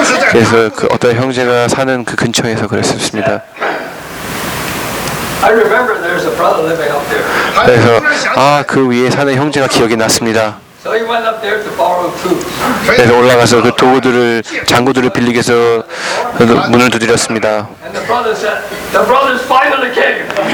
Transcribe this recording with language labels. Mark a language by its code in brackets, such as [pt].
[ko] 그래서 그 어떤 형제가 사는 그 근처에서 그랬었습니다. [en] I remember there's a brother living up there. [ko] 그래서 아 그 위에 사는 형제가 기억이 났습니다. [en] So he went up there to borrow tools. [ko] 그래서 올라가서 그 도구들을 장구들을 빌리기 위해서 문을 두드렸습니다. [en] And the brother said, "The brother's finally came."